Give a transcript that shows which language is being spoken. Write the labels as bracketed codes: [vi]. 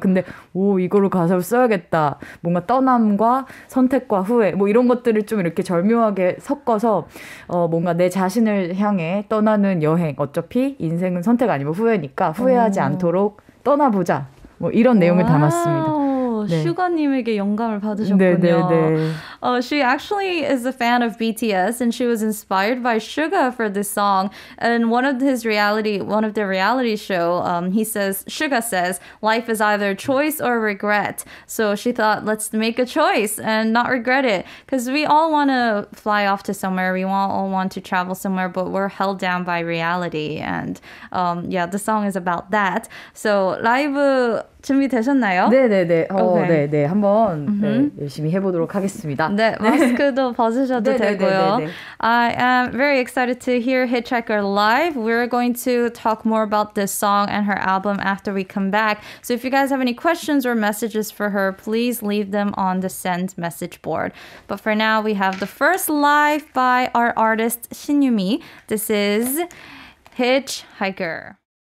[ko] 근데 오 이거로 가사를 써야겠다. 뭔가 떠남과 선택과 후회 뭐 이런 것들을 좀 이렇게 절묘하게 섞어서 뭔가 내 자신을 향해 떠나는 여행 어차피 인생은 선택 아니면 후회니까 후회하지 않도록 떠나보자 뭐 이런 내용을 담았습니다. 네. 슈가님에게 영감을 받으셨군요. 네, 네, 네. [en] She actually is a fan of BTS and she was inspired by Suga for this song. And one of the reality show, Suga says, life is either choice or regret. So she thought, let's make a choice and not regret it. Because we all want to fly off to somewhere. We all want to travel somewhere, but we're held down by reality. And yeah, the song is about that. [ko] So 라이브 준비되셨나요? 네네네. 네네. 한번 열심히 해보도록 하겠습니다. 네. 마스크도 벗으셔도 되고요. [en] I am very excited to hear Hitchhiker live. We're going to talk more about this song and her album after we come back. So if you guys have any questions or messages for her, please leave them on the send message board. But for now, we have the first live by our artist, Shin Yumi. This is Hitchhiker.